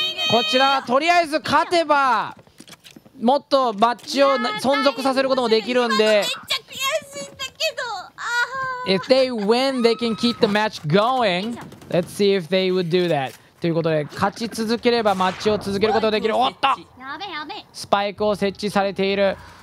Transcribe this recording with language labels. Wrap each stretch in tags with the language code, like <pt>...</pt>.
<ja>こちらとりあえず勝てばもっとマッチを存続させることもできるんで、めっちゃ悔しいんだけど。</ja> <en>If they win they can keep the match going. Let's see if they would do that.</en> <ja>ということで勝ち続ければマッチを続けることができる。おっとスパイクを設置されている。</ja>